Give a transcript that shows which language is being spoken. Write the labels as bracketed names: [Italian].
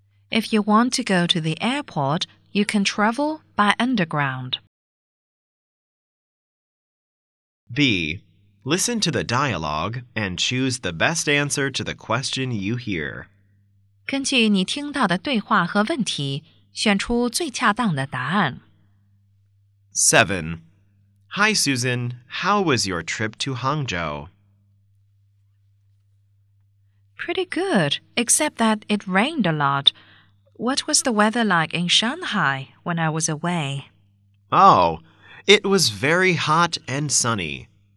[English] If you want to go to the airport, you can travel by underground. B. Listen to the dialogue and choose the best answer to the question you hear. [Chinese] 根据你听到的对话和问题，选出最恰当的答案。 7. [English] Hi Susan, how was your trip to Hangzhou? Pretty good, except that it rained a lot. What was the weather like in Shanghai when I was away? Oh, it was very hot and sunny.